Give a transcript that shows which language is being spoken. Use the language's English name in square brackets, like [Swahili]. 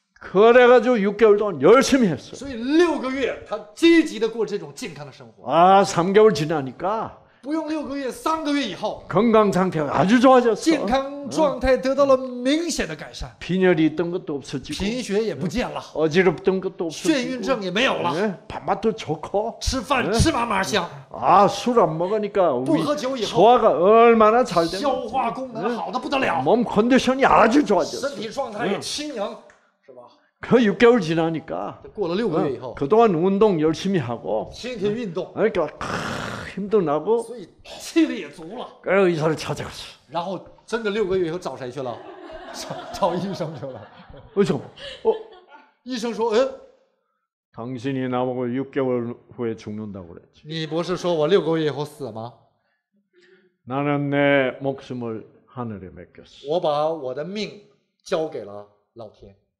[Korean] 그래가지고 6개월 동안 열심히 했어. [Chinese] 所以6个月他积极的过这种健康的生活. [Korean] 아, 3개월 지나니까, [Chinese] 不用6个月，3个月以后, [Korean] 건강 상태가 아주 좋아졌어. [Chinese] 健康状态得到了明显的改善. [Korean] 빈혈이 있던 것도 없어지고, [Chinese] 贫血也不见了. [Korean] 어지럽던 것도 없어지고, [Chinese] 眩晕症也没有了. [Korean] 밥맛도 좋고, [Chinese] 吃饭吃嘛嘛香. [Korean] 아, 술 안 먹으니까, [Chinese] 不喝酒以后, [Korean] 소화가 얼마나 잘 되는지, [Chinese] 消化功能好得不得了. [Korean] 몸 컨디션이 아주 좋아졌어. [Chinese] 身体状态也轻盈. [Korean] 그 6개월 지나니까 [Chinese] 过了6个月以后, [Korean] 그동안 운동 열심히 하고 [Chinese] 天天运动. [Korean] 그러니까 힘도 나고 [Chinese] 所以气力也足了. [Korean] 그래서 의사를 찾아갔어. [Chinese] 然后真的6个月以后找谁去了?找医生去了. [Korean] 왜죠? [Chinese] 医生说 에? [Korean] 당신이 나보고 6개월 후에 죽는다고 그랬지. [Chinese] 你不是说我6个月以后死吗? [Korean] 나는 내 목숨을 하늘에 맡겼어. [Chinese] 我把我的命交给了老天.